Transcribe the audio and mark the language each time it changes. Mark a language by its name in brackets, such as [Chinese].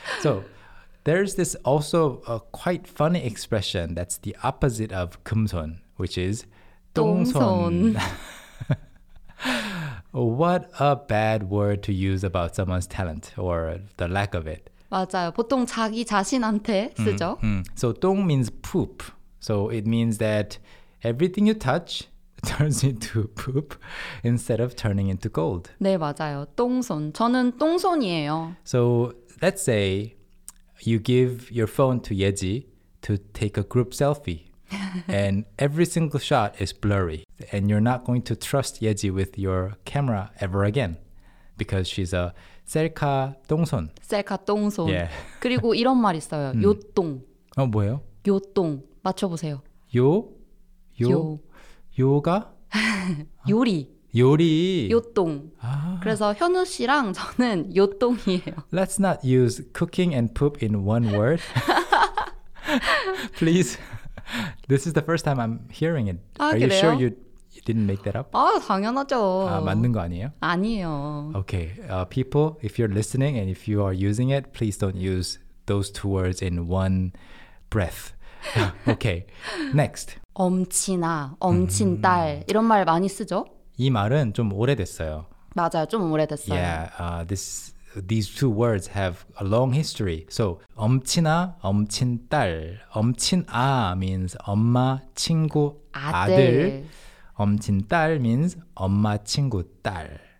[English] So there's this also a quite funny expression that's the opposite of 금손, which is [Korean] 똥손. [English] What a bad word to use about someone's talent or the lack of it. [Korean] 맞아요. 보통 자기 자신한테 쓰죠. [English] So 똥 means poop. So it means that everything you touch turns into poop instead of turning into gold. [Korean] 네, 맞아요. 똥손. 저는 똥손이에요. [English] So let's say you give your phone to 예지 to take a group selfie and every single shot is blurry and you're not going to trust 예지 with your camera ever again because she's a 셀카 똥손. [Korean] 셀카 똥손. [English] Yeah. [Korean] 그리고 이런 말 있어요. 요똥. 뭐예요? 요똥. 맞춰보세요. 요? 요? 요. 요가? 요리. 요리. 요똥. 아. 그래서 현우 씨랑 저는 요똥이에요. [English] Let's not use cooking and poop in one word. Please. This is the first time I'm hearing it. [Korean] 아, [English] Are [Korean] 그래요? [English] You sure you didn't make that up? [Korean] 아, 당연하죠. 아, 맞는 거 아니에요? 아니에요. [English] Okay. People, if you're listening and if you are using it, please don't use those two words in one breath. Okay. Next. [Korean] 엄친아, 엄친딸 이런 말 많이 쓰죠? 이 말은 좀 오래됐어요. 맞아요, 좀 오래됐어요. [English] Yeah, these two words have a long history. So 엄친아, 엄친딸, 엄친아 means [Korean] 엄마, 친구, 아들. [English] 엄친딸 means [Korean] 엄마, 친구, 딸.